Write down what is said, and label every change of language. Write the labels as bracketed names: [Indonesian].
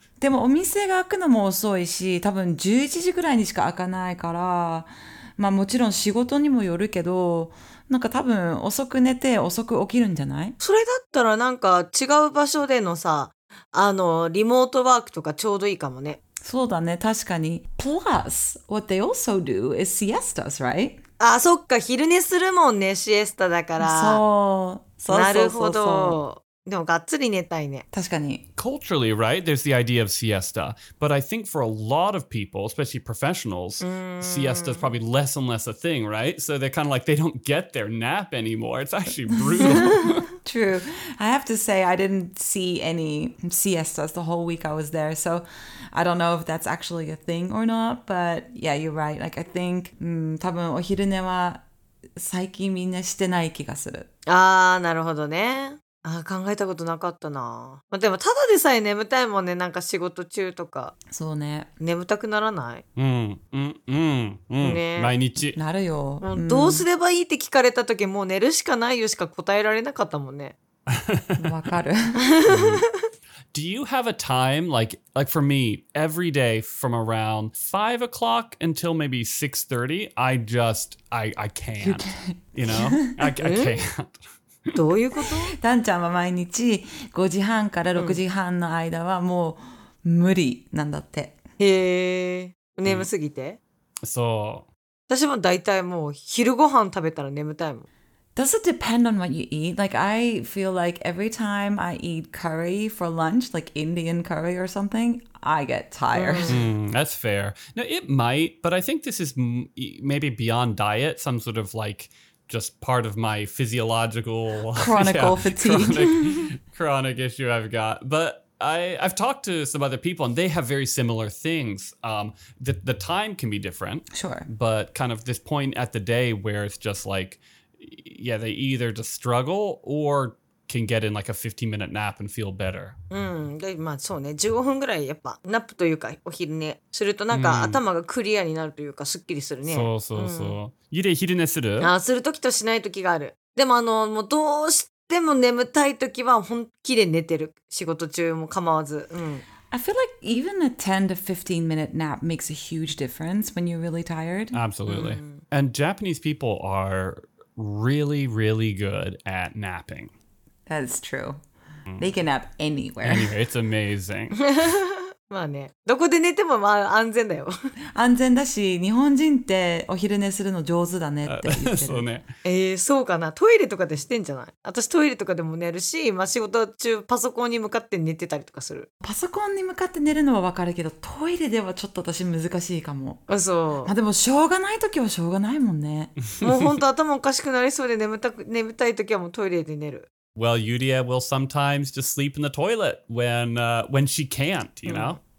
[Japanese] でもお店が開くのも遅いし、多分11時ぐらいにしか開かないから、まあもちろん仕事にもよるけど、なんか多分遅く寝て遅く起きるんじゃない？それだったらなんか違う場所でのさ、あのリモートワークとかちょうどいいかもね。そうだね、確かに。 [English] Plus, what they also do is siestas, right? [Japanese] あ、そっか、昼寝するもんね、シエスタだから。そう。そうなるほど。でもがっつり寝たいね。確かに。 [English] Culturally, right? There's the idea of siesta. But I think for a lot of people, especially professionals, siesta is probably less and less a thing, right? So they're kind of like, they don't get their nap anymore. It's actually brutal. True. I have to say, I didn't see any siestas the whole week I was there. So I don't know if that's actually a thing or not. But yeah, you're right. Like, I think, [Japanese] 多分お昼寝は最近みんなしてない気がする。あー、なるほどね。あ、考えたことなかったな。まあ、でもただでさえ眠たいもんね、なんか仕事中とか。そうね。眠たくならない？ね、毎日。なるよ。うん、どうすればいいって聞かれた時、もう寝るしかないよしか答えられなかったもんね。わかる。 [English] Do you have a time, like for me, every day from around 5 o'clock until maybe 6:30, I can't, you know? I can't. [Japanese] どういうこと？ダンちゃんは毎日5時半から6時半の間はもう無理なんだって。へえ、眠すぎて？そう。私も大体もう昼ご飯食べたら眠たいもん。 [English] Does it depend on what you eat? Like, I feel like every time I eat curry for lunch, like Indian curry or something, I get tired. That's fair. No, it might, but I think this is maybe beyond diet, some sort of like... just part of my physiological... Chronic fatigue. Chronic issue I've got. But I've talked to some other people and they have very similar things. The time can be different. Sure. But kind of this point at the day where it's just like, yeah, they either just struggle or can get in like a 15-minute nap and feel better. [Japanese] まあそうね。 15分ぐらいやっぱナップというかお昼寝するとなんか頭がクリアになるというかすっきりするね。そうそうそう。ゆで昼寝する？あ、するときとしないときがある。でもあのもうどうしても眠たいときは本気で寝てる。仕事中も構わず。 [English] I feel like even a 10 to 15 minute nap makes a huge difference when you're really tired. Absolutely. And Japanese people are really, really good at napping. That is true. They can nap anywhere. Anyway, it's amazing. [Japanese] まあね、どこで寝てもまあ安全だよ。安全だし、日本人ってお昼寝するの上手だねって言ってる。そうね。そうかな。トイレとかでしてんじゃない？私トイレとかでも寝るし、まあ、仕事中パソコンに向かって寝てたりとかする。パソコンに向かって寝るのはわかるけど、トイレではちょっと私難しいかも。あ、そう。まあでもしょうがないときはしょうがないもんね。もう本当頭おかしくなりそうで眠たいときはもうトイレで寝る。 [English] Well, Yuria will sometimes just sleep in the toilet when she can't, you know?